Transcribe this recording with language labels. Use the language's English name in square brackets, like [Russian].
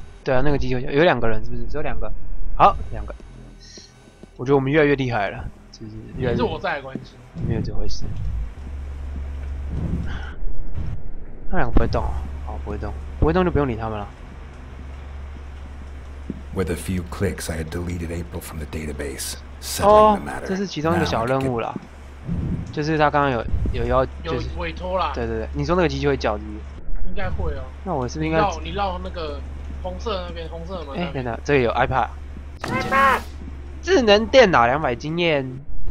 [Chinese] 对啊，那个机器会叫，有两个人是不是？只有两个，好，两个，我觉得我们越来越厉害了，就是越来越，也是我在的关系，没有这回事，那两个不会动啊，好，不会动。不会动就不用理他们了。 [English] With a few clicks, I had deleted April from the database. [Chinese] 哦，这是其中一个小任务了，就是他刚刚有要、就是、有委托啦。对对对，你说那个机器会叫是不是？应该会哦。那我是不是应该你绕那个红色的那边，红色的门那边？哎，等等，这里有 iPad。 iPad 智能电脑200经验。